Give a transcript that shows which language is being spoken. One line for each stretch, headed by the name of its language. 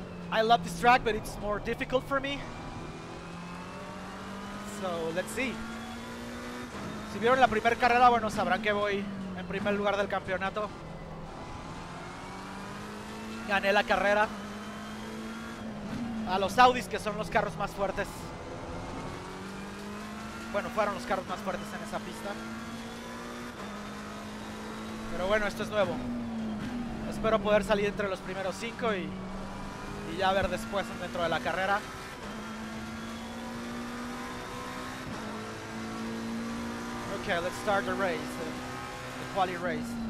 English: I love this track, but it's more difficult for me. So, let's see.
Spanish: Si vieron la primera carrera, bueno, sabrán que voy en primer lugar del campeonato. Gané la carrera a los Audis, que son los carros más fuertes. Bueno, fueron los carros más fuertes en esa pista. Pero bueno, esto es nuevo. Espero poder salir entre los primeros 5 y ya ver después dentro de la carrera.
English: Okay, let's start the race, the quali race.